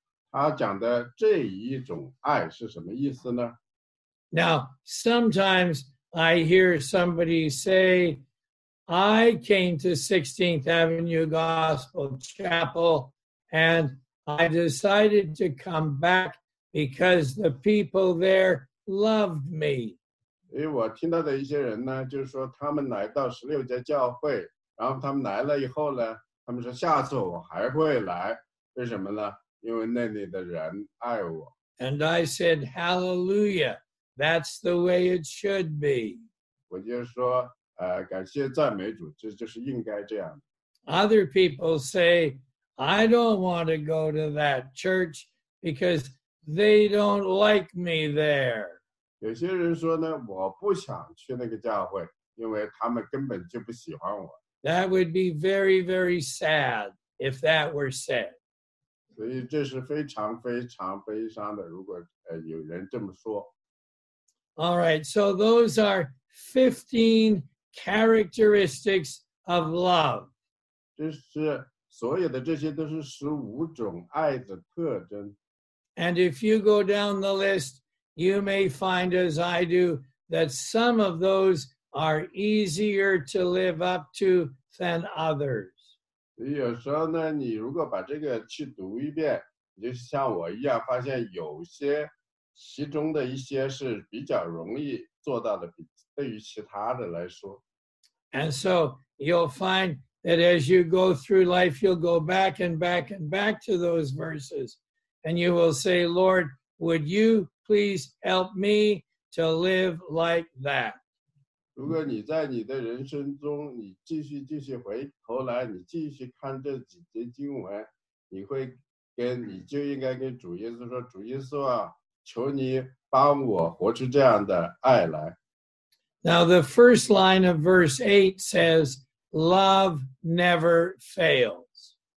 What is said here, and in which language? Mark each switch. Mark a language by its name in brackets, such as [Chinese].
[Chinese] 他讲的这一种爱是什么意思呢？ [English] Now, sometimes I hear somebody say, I came to 16th Avenue Gospel Chapel and I decided to come backBecause the people there loved me. [Chinese] 因为我听到的一些人呢，就是说他们来到十六家教会，然后他们来了以后呢，他们说下次我还会来。为什么呢？因为那里的人爱我。 [English] And I said, Hallelujah, that's the way it should be. [Chinese] 我就说，感谢赞美主，这就是应该这样。 [English] Other people say, I don't want to go to that church because. They don't like me there. [Chinese] 有些人说呢，我不想去那个教会，因为他们根本就不喜欢我。 [English] That would be very, very sad if that were said. [Chinese] 所以这是非常非常悲伤的，如果有人这么说。 [English] All right, so those are 15 characteristics of love. [Chinese] 这是所有的这些都是15种爱的特征。 [English] And if you go down the list, you may find, as I do, that some of those are easier to live up to than others. [Chinese] 有时候呢，你如果把这个去读一遍，你就像我一样，发现有些其中的一些是比较容易做到的，比对于其他的来说。 [English] And so you'll find that as you go through life, you'll go back and back and back to those verses. And you will say, Lord, would you please help me to live like that? [Chinese] 如果你在你的人生中，你继续回头来，你继续看这几节经文，你就应该跟主耶稣说，主耶稣啊，求你帮我活出这样的爱来。 [English] Now the first line of verse 8 says, love never fails.